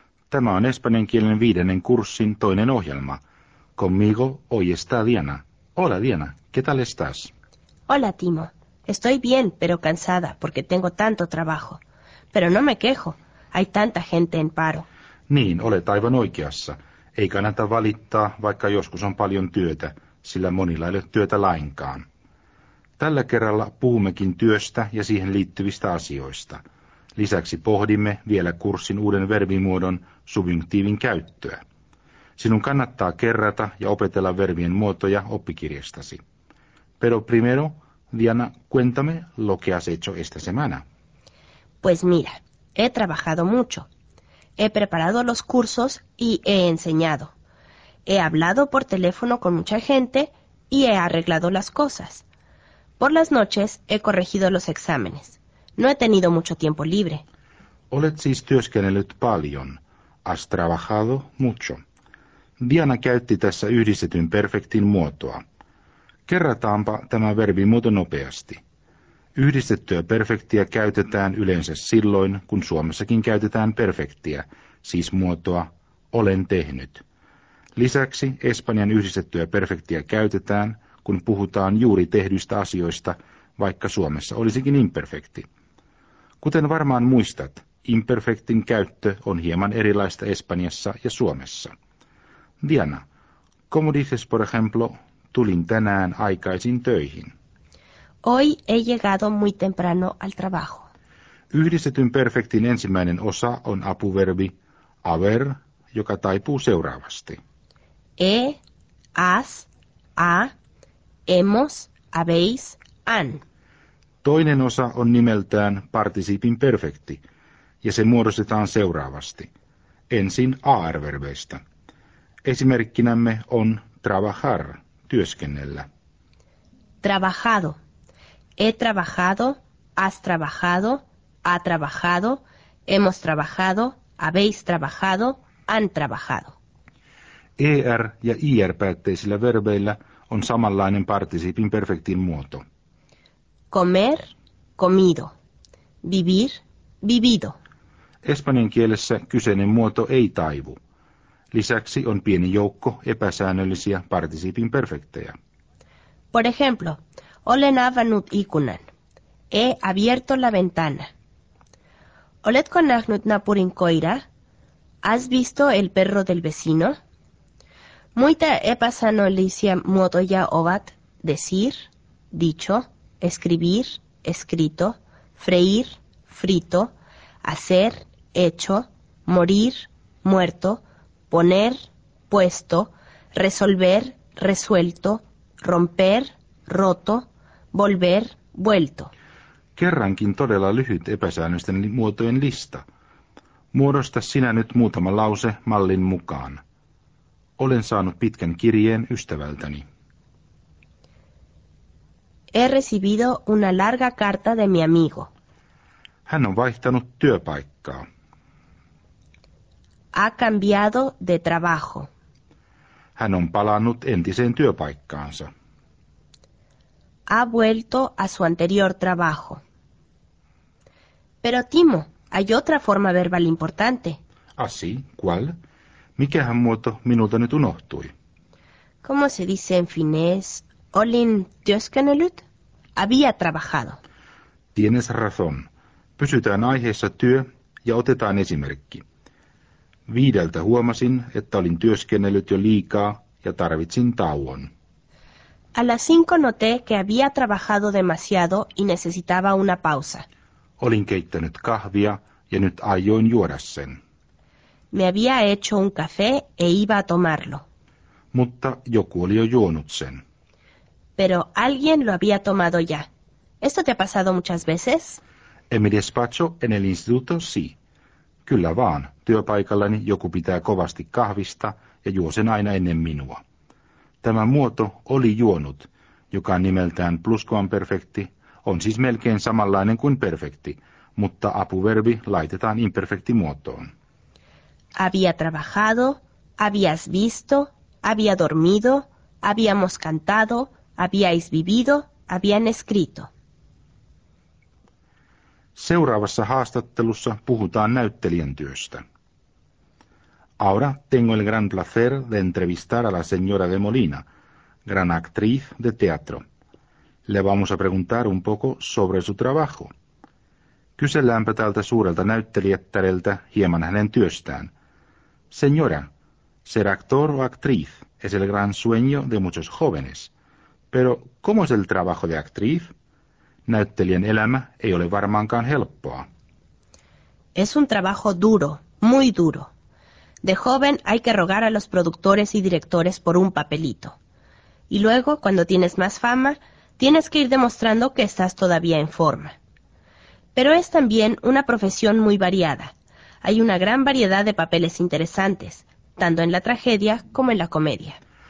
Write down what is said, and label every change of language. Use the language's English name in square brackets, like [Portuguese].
[Finnish] Tämä on espanjan kielen viidennen kurssin toinen ohjelma. [Spanish] Conmigo hoy está Diana. Hola Diana, ¿qué tal estás? Hola Timo. Estoy bien, pero cansada porque tengo tanto trabajo. Pero no me quejo. Hay tanta gente en paro. [Finnish] Niin, olet aivan oikeassa. Ei kannata valittaa, vaikka joskus on paljon työtä, sillä monilla ei ole työtä lainkaan. Tällä kerralla puhummekin työstä ja siihen liittyvistä asioista. Lisäksi pohdimme vielä kurssin uuden vermimuodon subjunktiivin käyttöä. Sinun kannattaa kerrata ja opetella vervien muotoja oppikirjastasi. [Spanish] Pero primero, Diana, cuéntame lo que has hecho esta semana. Pues mira, he trabajado mucho. He preparado los cursos y he enseñado. He hablado por teléfono con mucha gente y he arreglado las cosas. Por las noches he corregido los exámenes. No he tenido mucho tiempo libre. [Finnish] Olet siis työskennellyt paljon. [Spanish] Has trabajado mucho. [Finnish] Diana käytti tässä yhdistetyn perfektin muotoa. Kerrataanpa tämä verbimuoto nopeasti. Yhdistettyä perfektiä käytetään yleensä silloin, kun Suomessakin käytetään perfektiä, siis muotoa olen tehnyt. Lisäksi espanjan yhdistettyä perfektiä käytetään, kun puhutaan juuri tehdyistä asioista, vaikka Suomessa olisikin imperfekti. Kuten varmaan muistat, imperfektin käyttö on hieman erilaista Espanjassa ja Suomessa. [Spanish] Diana, como dices, por ejemplo, [Finnish] tulin tänään aikaisin töihin. [Spanish] Hoy he llegado muy temprano al trabajo. [Finnish] Yhdistetyn perfektin ensimmäinen osa on apuverbi haber, joka taipuu seuraavasti. [Spanish] He, has, a, hemos, habéis, han. [Finnish] Toinen osa on nimeltään participin perfekti, ja se muodostetaan seuraavasti. Ensin AR-verbeistä. Esimerkkinämme on trabajar, työskennellä. [Spanish] Trabajado. He trabajado, has trabajado, ha trabajado, hemos trabajado, habéis trabajado, han trabajado. [Finnish] ER- ja IR-päätteisillä verbeillä on samanlainen participin perfektin muoto. [Spanish] Comer, comido. Vivir, vivido. [Finnish] Espanjan kielessä kyseinen muoto ei taivu. Lisäksi on pieni joukko epäsäännöllisiä participin perfektejä. [Spanish] Por ejemplo, [Finnish] olen avannut ikkunan. [Spanish] He abierto la ventana. [Finnish] Oletko nähnyt naapurin koira? [Spanish] Has visto el perro del vecino? [Finnish] Muita epäsäännöllisiä muotoja ovat [Spanish] decir, dicho, escribir, escrito, freír, frito, hacer, hecho, morir, muerto, poner, puesto, resolver, resuelto, romper, roto, volver, vuelto. [Finnish] Kerrankin todella lyhyt epäsäännösten muotojen lista. Muodosta sinä nyt muutama lause mallin mukaan. Olen saanut pitkän kirjeen ystävältäni. [Spanish] He recibido una larga carta de mi amigo. [Finnish] Hän on vaihtanut työpaikkaa. [Spanish] Ha cambiado de trabajo. [Finnish] Hän on palannut entiseen työpaikkaansa. [Spanish] Ha vuelto a su anterior trabajo. Pero Timo, hay otra forma verbal importante. Ah, sí, ¿cuál? [Finnish] Mikähän muoto minulta nyt unohtui? [Spanish] ¿Cómo se dice en finés? [Finnish] Olin työskennellyt? [Spanish] Había trabajado. Tienes razón. [Finnish] Pysytään aiheessa työ ja otetaan esimerkki. Viideltä huomasin, että olin työskennellyt jo liikaa ja tarvitsin tauon. [Spanish] A las cinco noté que había trabajado demasiado y necesitaba una pausa. [Finnish] Olin keittänyt kahvia ja nyt aioin juoda sen. [Spanish] Me había hecho un café e iba a tomarlo. [Finnish] Mutta joku oli jo juonut sen. [Spanish] Pero alguien lo había tomado ya. ¿Esto te ha pasado muchas veces? En mi despacho, en el instituto, sí. [Finnish] Kyllä vaan. Työpaikallani joku pitää kovasti kahvista ja juo sen aina ennen minua. Tämä muoto oli juonut, joka on nimeltään pluskvamperfekti, on siis melkein samanlainen kuin perfekti, mutta apuverbi laitetaan imperfektimuotoon. [Spanish] Había trabajado, habías visto, había dormido, habíamos cantado, habíais vivido, habían escrito. [Finnish] Seuraavassa haastattelussa puhutaan näyttelijän työstä. [Spanish] Ahora tengo el gran placer de entrevistar a la señora de Molina, gran actriz de teatro. Le vamos a preguntar un poco sobre su trabajo. [Finnish] Kyselläänpä tältä suurelta näyttelijättäreltä hieman hänen työstään. [Spanish] Señora, ser actor o actriz es el gran sueño de muchos jóvenes. Pero, ¿cómo es el trabajo de actriz? [Finnish] Näyttelijän elämä ei ole varmaankaan helppoa. [Spanish] Es un trabajo duro, muy duro. De joven hay que rogar a los productores y directores por un papelito. Y luego, cuando tienes más fama, tienes que ir demostrando que estás todavía en forma. Pero es también una profesión muy variada. Hay una gran variedad de papeles interesantes, tanto en la tragedia como en la comedia.